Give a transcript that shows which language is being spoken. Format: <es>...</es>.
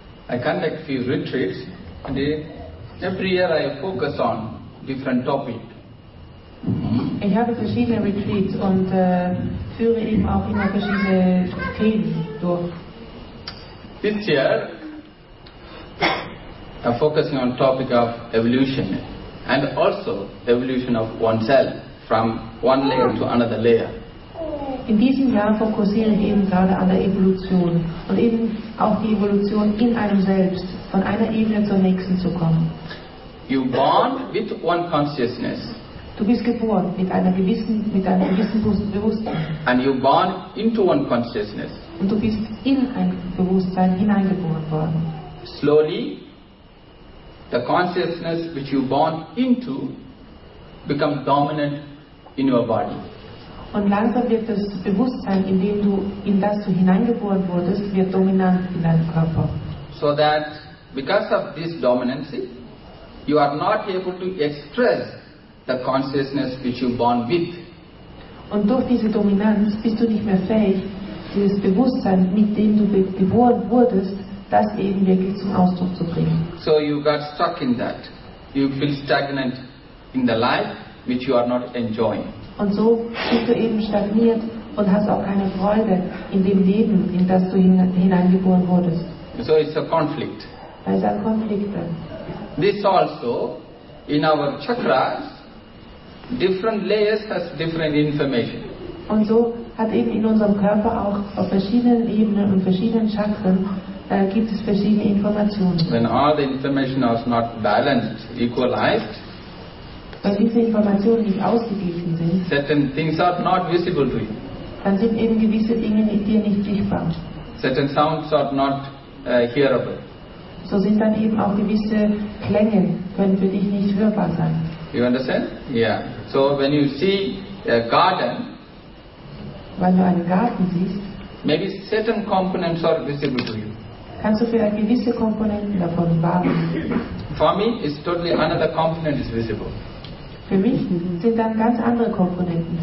<en>I conduct few retreats, and every year I focus on different topic.</en> <de>Ich habe verschiedene Retreats und führe eben auch immer verschiedene Themen durch.</de> <en>This year I'm focusing on topic of evolution and also evolution of oneself. From one layer to another layer.</en> <de>In diesem Jahr fokussiere ich eben gerade an der Evolution und eben auch die Evolution in einem selbst, von einer Ebene zur nächsten zu kommen.</de> <en>You born with one consciousness.</en> <de>Du bist geboren mit einem gewissen Bewusstsein.</de> <en>And you born into one consciousness.</en> <de>Und du bist in ein Bewusstsein hineingeboren worden.</de> <en>Slowly, the consciousness which you born into become dominant in your body.</en> <de>Und langsam wird das Bewusstsein, in das du hineingeboren wurdest, wird dominant in deinem Körper.</de> <en>So that because of this dominancy, you are not able to express the consciousness which you born with.</en> <de>Und durch diese Dominanz bist du nicht mehr fähig, dieses Bewusstsein, mit dem du geboren wurdest, das eben wirklich zum Ausdruck zu bringen.</de> <en>So you got stuck in that. You feel stagnant in the life which you are not enjoying.</en> <de>Und so bist du eben stagniert und hast auch keine Freude in dem Leben, in das du hineingeboren wurdest.</de> <en>So it's a conflict.</en> <de>Da ist ein Konflikt dann.</de> <en>This also, in our chakras, different layers has different information.</en> <de>Und so hat eben in unserem Körper auch auf verschiedenen Ebenen und verschiedenen Chakren gibt es verschiedene Informationen.</de> <en>When all the information is not balanced, equalized,</en> <de>weil diese Informationen nicht ausgeglichen sind,</de> <en>certain things are not visible to you.</en> <de>Dann sind eben gewisse Dinge in dir nicht sichtbar.</de> <en>Certain sounds are not hearable.</en> <de>So sind dann eben auch gewisse Klänge, können für dich nicht hörbar sein.</de> <en>You understand? Yeah. So when you see a garden,</en> <de>wenn du einen Garten siehst,</de> <en>maybe certain components are visible to you.</en> <de>Kannst du für eine gewisse Komponenten davon wahrnehmen?</de> <en>For me, it's totally another component is visible.</en> <de>Für mich sind dann ganz andere Komponenten.</de>